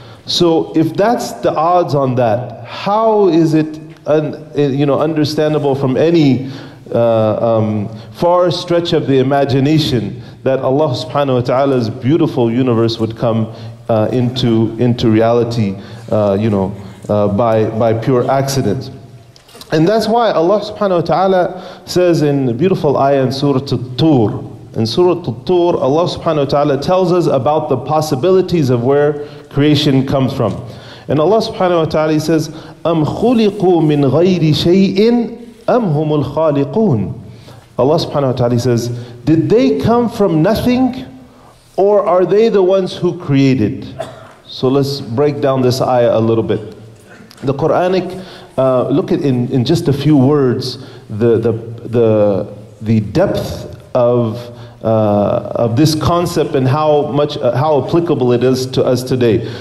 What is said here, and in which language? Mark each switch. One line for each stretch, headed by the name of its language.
English: So if that's the odds on that, how is it understandable from any far stretch of the imagination that Allah subhanahu wa ta'ala's beautiful universe would come into reality, by pure accident. And that's why Allah subhanahu wa ta'ala says in the beautiful ayah in Surah At-Tur, Allah subhanahu wa ta'ala tells us about the possibilities of where creation comes from. And Allah subhanahu wa ta'ala says,
Arabic: أَمْ خُلِقُوا مِنْ غَيْرِ شَيْءٍ أَمْ هُمُ الْخَالِقُونَ.
English: Allah subhanahu wa ta'ala says, did they come from nothing or are they the ones who created? So let's break down this ayah a little bit. The Quranic, look at in just a few words, the depth of this concept and how applicable it is to us today.